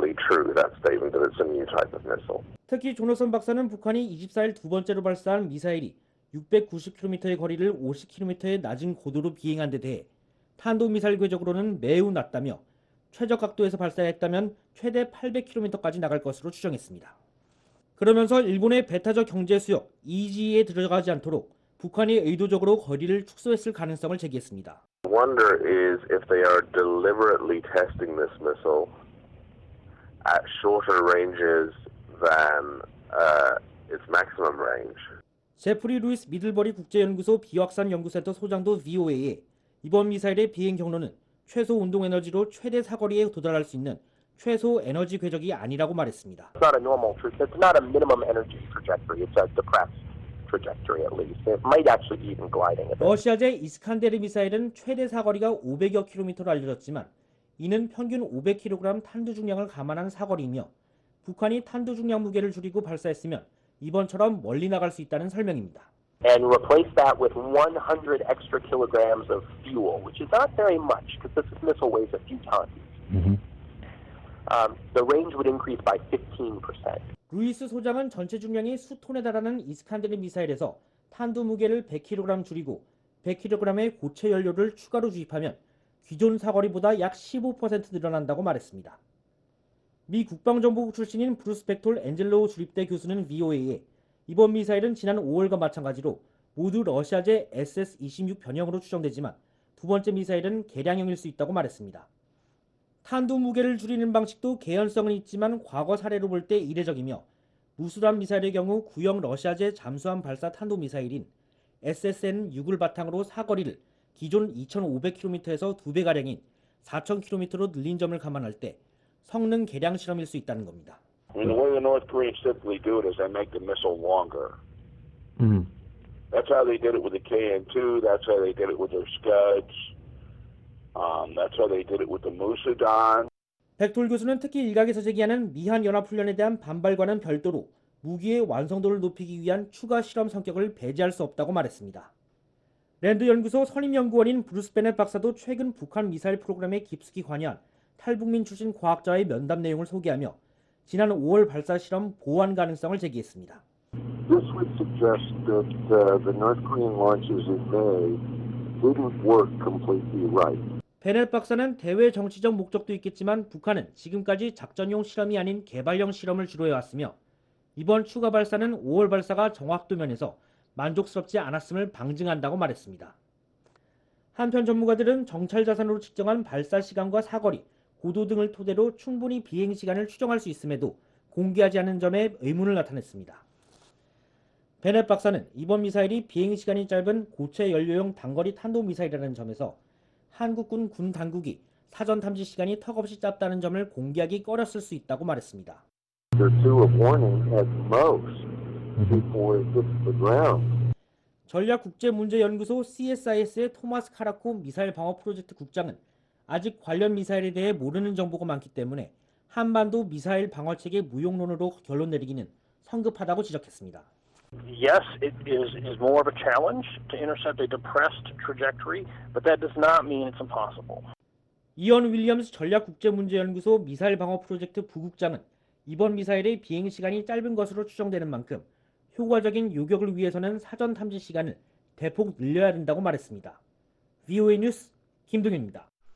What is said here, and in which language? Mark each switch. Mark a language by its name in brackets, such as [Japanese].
[English] I'm not convinced that that's necessarily true, that statement that it's a new type of missile. [Korean] 특히 조너선 박사는 북한이 24일 두 번째로 발사한 미사일이 690km의 거리를 50km의 낮은 고도로 비행한 데 대해 탄도미사일 궤적으로는 매우 낮다며 최적 각도에서 발사했다면 최대 800km까지 나갈 것으로 추정했습니다. 그러면서 일본의 배타적 경제수역 EG에 들어가지 않도록 북한이 의도적으로 거리를 축소했을 가능성을 제기했습니다. [English] Wonder is if they are deliberately testing this missile at shorter ranges than its maximum range. [Korean] 제프리 루이스 미들버리 국제연구소 비확산 연구센터 소장도 VOA에 이번 미사일의 비행 경로는 최소 운동 에너지로 최대 사거리에 도달할 수 있는 최소 에너지 궤적이 아니라고 말했습니다. [English] It's not a normal trajectory. It's not a minimum energy trajectory. It's a depressed trajectory at least. It might actually even gliding. [Korean] 러시아제 이스칸데르 미사일은 최대 사거리가 500여 킬로미터로 알려졌지만 이는 평균 500kg 탄두 중량을 감안한 사거리이며 북한이 탄두 중량 무게를 줄이고 발사했으면 이번처럼 멀리 나갈 수 있다는 설명입니다. [English] And replace that with 100 extra kilograms of fuel, which is not very much because this missile weighs a few tons. The range would increase by 15%. [Korean] 루이스 소장은 전체 중량이 수톤에 달하는 이스칸데르 미사일에서 탄두 무게를 100kg 줄이고 100kg의 고체 연료를 추가로 주입하면 기존 사거리보다 약 15% 늘어난다고 말했습니다. 미 국방정보부 출신인 브루스 벡톨 엔젤로우 주립대 교수는 VOA에 이번 미사일은 지난 5월과 마찬가지로 모두 러시아제 SS-26 변형으로 추정되지만 두 번째 미사일은 개량형일 수 있다고 말했습니다. 탄두 무게를 줄이는 방식도 개연성은 있지만 과거 사례로 볼 때 이례적이며 무수단 미사일의 경우 구형 러시아제 잠수함 발사 탄도 미사일인 SSN-6을 바탕으로 사거리를 기존 2,500km에서 2배가량인 4,000km로 늘린 점을 감안할 때 성능 개량 실험일 수 있다는 겁니다. [English] The way the North Koreans simply do it is they make the missile longer. That's how they did it with the KN-2. That's how they did it with their Scuds. That's how they did it with the Musudan. [Korean] 백돌 교수는 특히 일각에서 제기하는 미한 연합 훈련에 대한 반발과는 별도로 무기의 완성도를 높이기 위한 추가 실험 성격을 배제할 수 없다고 말했습니다. 랜드 연구소 선임 연구원인 브루스 베넷 박사도 최근 북한 미사일 프로그램에 깊숙이 관여한 탈북민 출신 과학자의 면담 내용을 소개하며 지난 5월 발사 실험 보완 가능성을 제기했습니다. [English] This would suggest that the North Korean launches in May didn't work completely right. [Korean] 베넷 박사는 대외 정치적 목적도 있겠지만 북한은 지금까지 작전용 실험이 아닌 개발용 실험을 주로 해왔으며 이번 추가 발사는 5월 발사가 정확도 면에서 만족스럽지 않았음을 방증한다고 말했습니다. 한편 전문가들은 정찰 자산으로 측정한 발사 시간과 사거리, 고도 등을 토대로 충분히 비행 시간을 추정할 수 있음에도 공개하지 않은 점에 의문을 나타냈습니다. 베넷 박사는 이번 미사일이 비행 시간이 짧은 고체 연료용 단거리 탄도 미사일이라는 점에서 한국군 군 당국이 사전 탐지 시간이 턱없이 짧다는 점을 공개하기 꺼렸을 수 있다고 말했습니다. [English] Before it hits the ground. 전략국제문제연구소 [Korean] CSIS의 토마스 카라코 미사일 방어 프로젝트 국장은 아직 관련 미사일에 대해 모르는 정보가 많기 때문에 한반도 미사일 방어체계 무용론으로 결론 내리기는 성급하다고 지적했습니다. [English] Yes, it is more of a challenge to intercept a depressed trajectory, but that does not mean it's impossible. [Korean] 이언 윌리엄스 전략국제문제연구소 미사일 방어 프로젝트 부국장은 이번 미사일의 비행 시간이 짧은 것으로 추정되는 만큼 효과적인 요격을 위해서는 사전 탐지 시간을 대폭 늘려야 된다고 말했습니다. VOA 뉴스 김동윤입니다.